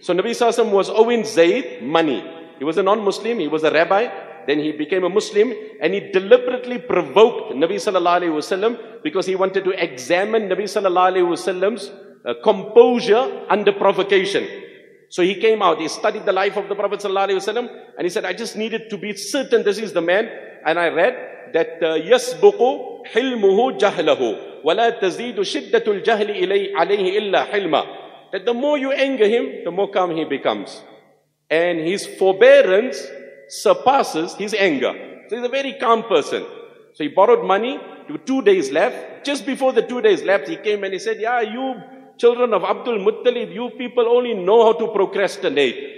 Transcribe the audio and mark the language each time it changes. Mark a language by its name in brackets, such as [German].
[English] So Nabi Sassam was owing Zayd money. He was a non-Muslim, he was a rabbi, then he became a Muslim, and he deliberately provoked Nabi Sallallahu Alaihi Wasallam because he wanted to examine Nabi Sallallahu Alaihi Wasallam's composure under provocation. So he came out, he studied the life of the Prophet Sallallahu Alaihi Wasallam, and he said, I just needed to be certain this is the man. And I read that, [Arabic] يَسْبُقُ حِلْمُهُ جَهْلَهُ وَلَا تَزِيدُ شِدَّةُ الْجَهْلِ عَلَيْهِ إِلَّا حِلْمًا. [English] That the more you anger him, the more calm he becomes. And his forbearance surpasses his anger. So he's a very calm person. So he borrowed money, 2 days left. Just before the 2 days left, he came and he said, "Yeah, you children of Abdul Muttalib, you people only know how to procrastinate.